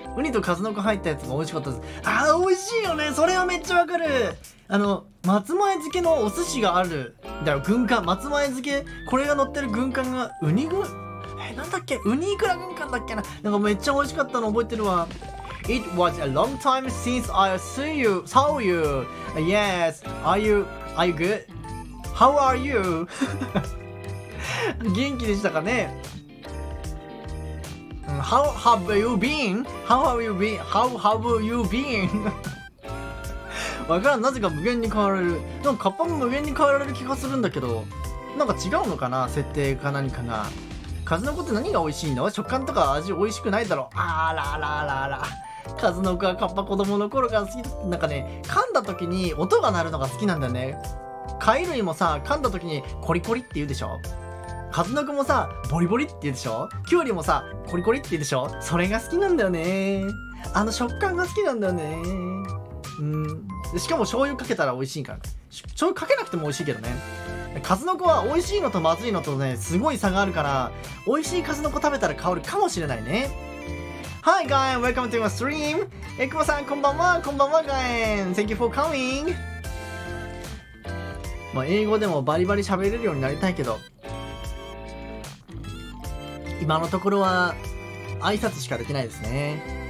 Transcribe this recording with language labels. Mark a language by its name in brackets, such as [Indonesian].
[Japanese] ウニとカズノコ入ったやつが美味しかったです。あー美味しいよね、それはめっちゃわかる。あの松前漬けのお寿司があるだよ、軍艦。松前漬けこれが乗ってる軍艦がウニ軍、なんだっけ、ウニイクラ軍艦だっけな、なんかめっちゃ美味しかったの覚えてるわ。 [English] It was a long time since I see you, saw you. Yes, are you good? How are you? [Japanese] 元気でしたかね。 [English] How have you been? How have you been? How have you been? [Japanese] わからん、なぜか無限に変わられる。でもカッパも無限に変わられる気がするんだけど、なんか違うのかな、設定か何かが。カズノコって何が美味しいの？食感とか味美味しくないだろ。あらあらあらあら、カズノコはカッパ子供の頃から好き。なんかね、噛んだ時に音が鳴るのが好きなんだよね。貝類もさ、噛んだ時にコリコリって言うでしょ。カズノコもさ、ボリボリって言うでしょ。キュウリもさ、コリコリって言うでしょ。それが好きなんだよね、あの食感が好きなんだよね。うん、しかも醤油かけたら美味しいから。醤油かけなくても美味しいけどね。カズノコは美味しいのとまずいのとね、すごい差があるから、美味しいカズノコ食べたら変わるかもしれないね。 [English] Hi guys, welcome to my stream. [Japanese] エクボさん、こんばんは。こんばんは、guys. [English] Thank you for coming. [Japanese] まあ英語でもバリバリ喋れるようになりたいけど、今のところは挨拶しかできないですね。